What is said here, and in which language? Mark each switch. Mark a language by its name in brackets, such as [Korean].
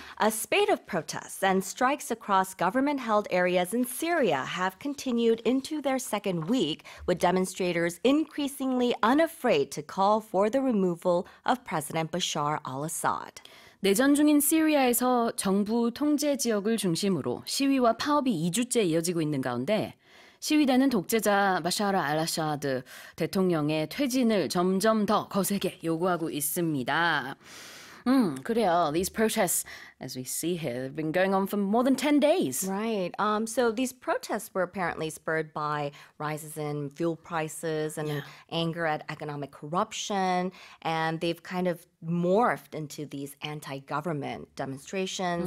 [English] A spate of protests and strikes across government-held areas in Syria have continued into their second week, with demonstrators increasingly unafraid to call for the removal of President Bashar al-Assad. [Korean] 내전 중인 시리아에서 정부 통제 지역을 중심으로 시위와 파업이 2주째 이어지고 있는 가운데 시위대는 독재자 바샤르 알라샤드 대통령의 퇴진을 점점 더 거세게 요구하고 있습니다. 그래요. [English] These protests, as we see here, have been going on for more than 10 days. Right. So these protests were apparently spurred by rises in fuel prices and yeah. anger at economic corruption. And they've kind of morphed into these anti-government demonstrations.